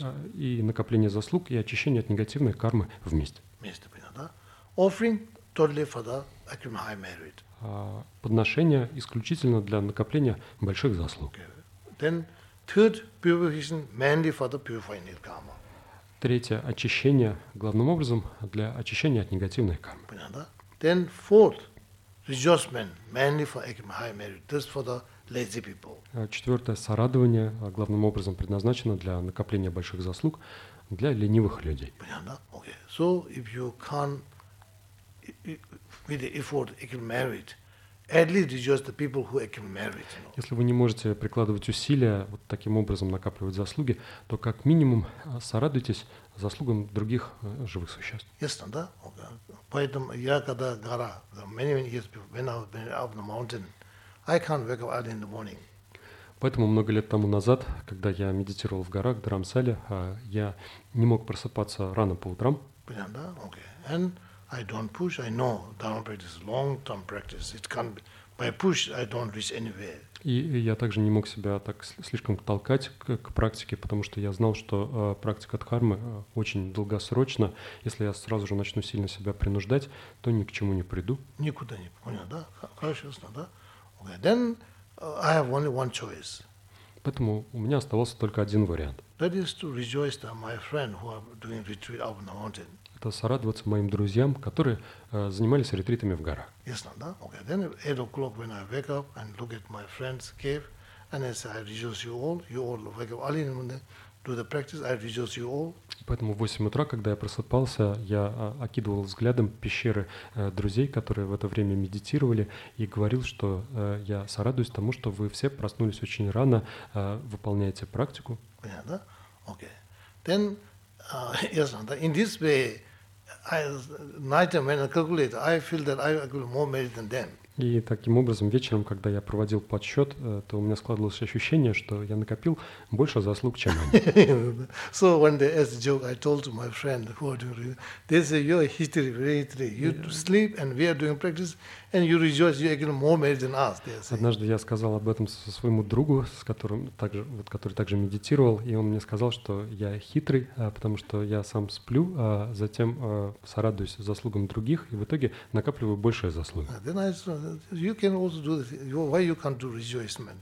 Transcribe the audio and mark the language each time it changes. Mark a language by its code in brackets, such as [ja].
[ru] да, и накопление заслуг и очищение от негативной кармы вместе. Вместе, понятно, да? [en] Offering totally for the accumulated merit. [ru] Подношение исключительно для накопления больших заслуг. [en] Okay. Then third purification mainly for the purifying the karma. [ru] Третье очищение главным образом для очищения от негативной кармы. Понятно, да? [en] Then fourth rejoicement mainly for accumulated merit, this for the lazy people. [ru] Четвертое сорадование главным образом предназначено для накопления больших заслуг для ленивых людей. Понятно, да? Okay. [en] So if you can't with the effort accumulate, at least rejoice the people who accumulate. You know. [ru] Если вы не можете прикладывать усилия вот таким образом накапливать заслуги, то как минимум сорадуйтесь заслугам других живых существ. Ясно, да? [en] Okay. [ru] Поэтому я когда гора, [en] many years before, when I was up the mountain, I can't wake up early in the morning. [ru] Поэтому много лет тому назад, когда я медитировал в горах Дарамсале, я не мог просыпаться рано по утрам. Понятно, да? [en] Okay. And I don't push. I know Dharma practice is long-term practice. It can't be. By push, I don't reach anywhere. [ru] И я также не мог себя так слишком толкать к практике, потому что я знал, что практика дхармы очень долгосрочна. Если я сразу же начну сильно себя принуждать, то ни к чему не приду. Никуда не понял, да? Хорошо, ясно, да? Okay. [en] Then I have only one choice. [ru] Поэтому у меня оставался только один вариант. [en] That is to rejoice that my friend who are doing retreat up the mountain. [ru] Это сорадоваться моим друзьям, которые занимались ретритами в горах. Ясно, да? Okay. [en] Then at 8 o'clock when I wake up and look at my friend's cave, and I say, I rejoice you all wake up early in the morning, do the practice, I rejoice you all. [ru] Поэтому в 8 утра, когда я просыпался, я окидывал взглядом пещеры друзей, которые в это время медитировали, и говорил, что я сорадуюсь тому, что вы все проснулись очень рано, выполняете практику. Понятно, да? Okay. [en] Then [ru] ясно, да. [en] In this way, night when I calculate, I feel that I accumulate more merit than them. [ru] И таким образом вечером, когда я проводил подсчет, то у меня складывалось ощущение, что я накопил больше заслуг, чем они. [en] So one day, as a joke, I told to my friend, who are doing this, they say, you're a history, very history. You sleep, and we are doing practice, and you rejoice, you accumulate more merit than us. [ru] Однажды я сказал об этом со своему другу, с которым также, вот, который также медитировал, и он мне сказал, что я хитрый, потому что я сам сплю, а затем сорадуюсь заслугам других, и в итоге накапливаю большие заслуги. [en] You can also do this. Why you can't do rejoicement?